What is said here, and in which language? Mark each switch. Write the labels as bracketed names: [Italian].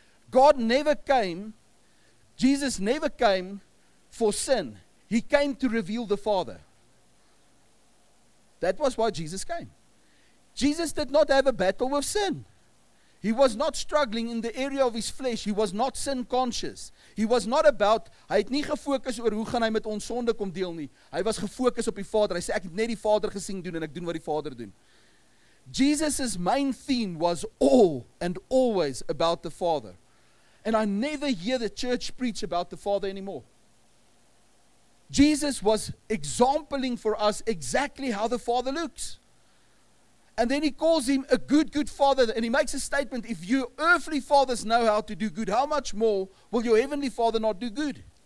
[English] God never came, Jesus never came for sin. He came to reveal the Father. That was why Jesus came. Jesus did not have a battle with sin. He was not struggling in the area of his flesh. He was not sin conscious. He was not about, [Afrikaans] hy het nie gefokus oor hoe gaan hy met ons sonde kom deel nie. Hy was gefokus op die Vader. Hy sê, ek het net die Vader gesien doen en ek doen wat die Vader doen. [English] Jesus' main theme was all and always about the Father. And I never hear the church preach about the Father anymore. Jesus was exampling for us exactly how the Father looks. And then he calls him a good Father. And he makes a statement, if your earthly fathers know how to do good, how much more will your heavenly Father not do good?